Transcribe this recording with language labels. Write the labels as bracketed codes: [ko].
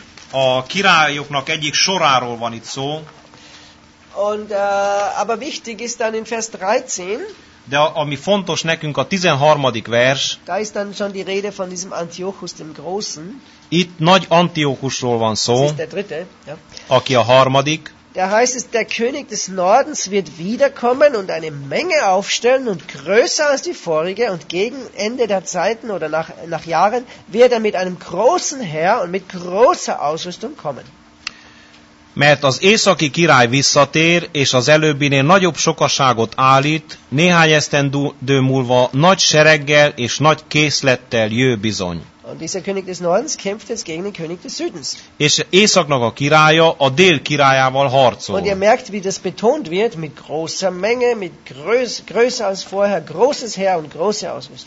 [hu] A királyoknak egyik soráról van itt szó. [de] Und aber wichtig ist dann in Vers 13. [hu] De ami fontos nekünk a 13. vers. [de] Da ist dann schon die Rede von diesem Antiochus dem Großen. [hu] Itt nagy Antiochusról van szó. [de] Das ist der dritte, ja. [hu] Aki a harmadik. [de] Da heißt es, der König des Nordens wird wiederkommen und eine Menge aufstellen und größer als die vorige und gegen Ende der Zeiten oder nach Jahren wird er mit einem großen Heer und mit großer Ausrüstung kommen. [hu] Mert az északi király visszatér, és az előbbinél nagyobb sokaságot állít, néhány esztendő múlva nagy sereggel és nagy készlettel jő bizony. [de] Und dieser König des Nordens kämpft jetzt gegen den König des Südens. [hu] És északnak a királya a dél királyával harcol. [de] Und ihr merkt, wie das betont wird, mit großer Menge, mit größer als vorher, großes Heer und große Ausrüstung.